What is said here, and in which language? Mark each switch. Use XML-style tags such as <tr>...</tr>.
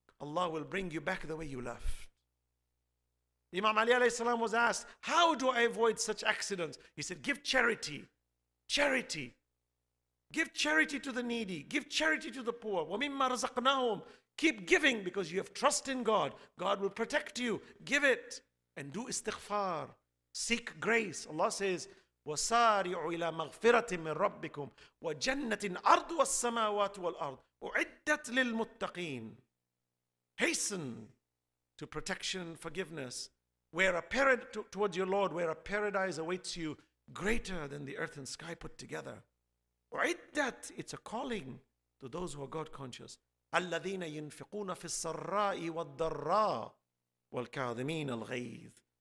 <en>Allah will bring you back the way you left. Imam Ali alayhi salam was asked, how do I avoid such accidents? He said, give charity. Charity. Give charity to the needy. Give charity to the poor.</en> <ar>وَمِمَّا رَزَقْنَاهُمْ.</ar> <en>Keep giving because you have trust in God. God will protect you. Give it and do istighfar. Seek grace. Allah says,</en> <ar>وَسَارِعُوا إِلَى مَغْفِرَةٍ مِّن رَبِّكُمْ وَجَنَّةٍ أَرْضُ وَالسَّمَاوَاتُ وَالْأَرْضُ وَعِدَّتْ لِلْمُتَّقِينَ.</ar> <en>Hasten to protection and forgiveness. Towards your Lord, where a paradise awaits you greater than the earth and sky put together.</en> <ar>وَعِدَّتْ.</ar> <en>It's a calling to those who are God-conscious.</en> <ar>الَّذِينَ يُنْفِقُونَ فِي السَّرَّاءِ وَالضَّرَّاءِ وَالْكَاظِمِينَ الْغَيْظِ.</ar>